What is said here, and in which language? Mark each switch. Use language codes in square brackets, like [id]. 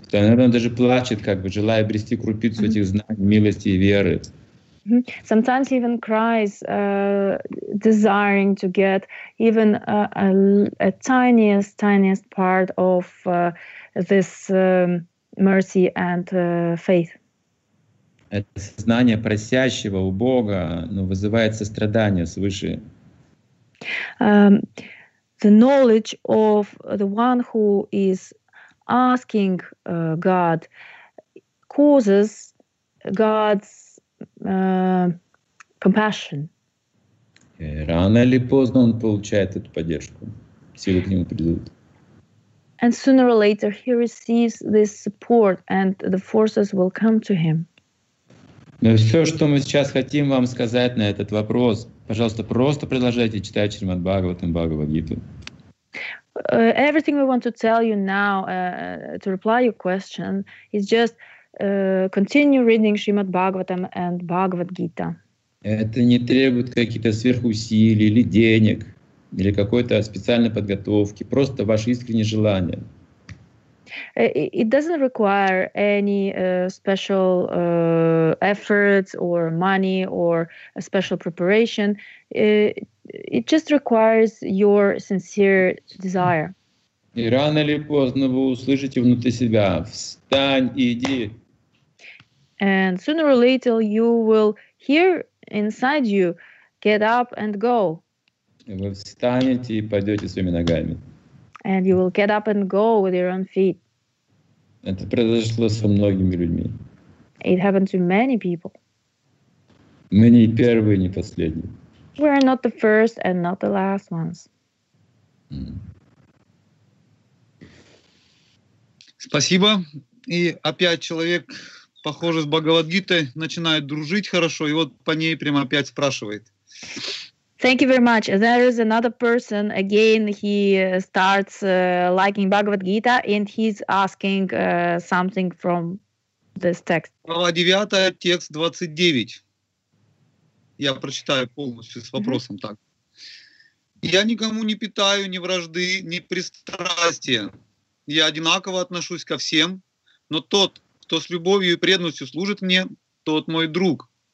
[ru] Наверное, даже плачет, как бы желая обрести крупицу mm-hmm. этих знаний, милости и веры. Mm-hmm. [en] Sometimes he even cries, desiring to get even a tiniest part of this mercy and faith. [ru] Это сознание просящего у Бога, но вызывает сострадание свыше. [en] The knowledge of the one who is asking God causes God's compassion. [ru] И рано или поздно он получает эту поддержку. Силы к нему придут. [en] And sooner or later he receives this support and the forces will come to him. [ru] Но все, что мы сейчас хотим вам сказать на этот вопрос, пожалуйста, просто продолжайте читать Шримад Бхагаватам, Бхагавад-гиту. [en] Everything we want to tell you now, to reply your question, is just continue reading Shrimad Bhagavatam and Bhagavad Gita. [ru] Это не требует каких-то сверхусилий или денег, или какой-то специальной подготовки, просто ваше искреннее желание. [en] It doesn't require any special efforts or money or a special preparation. It just requires your sincere desire. [ru] И рано или поздно вы услышите внутри себя: «Встань и иди». [en] And sooner or later you will hear inside you: «Get up and go». [ru] И вы встанете и пойдете своими ногами. [en] And you will get up and go with your own feet. [ru] Это произошло со многими людьми. [en] It happened to many people. [ru] Мы не первые, не последние. [en] We are not the first and not the last ones. [ru] Спасибо. И опять человек, похоже, с Бхагавад-гитой начинает дружить хорошо, и вот по ней прямо опять спрашивает. [en] Thank you very much. There is another person. Again, he starts liking Bhagavad Gita and he's asking something from this text. [ru] Глава 9, текст 29. Я прочитаю полностью с вопросом так. Я никому не питаю ни вражды, ни пристрастия. Я одинаково отношусь ко всем, но тот, кто с любовью и преданностью служит мне, тот мой друг.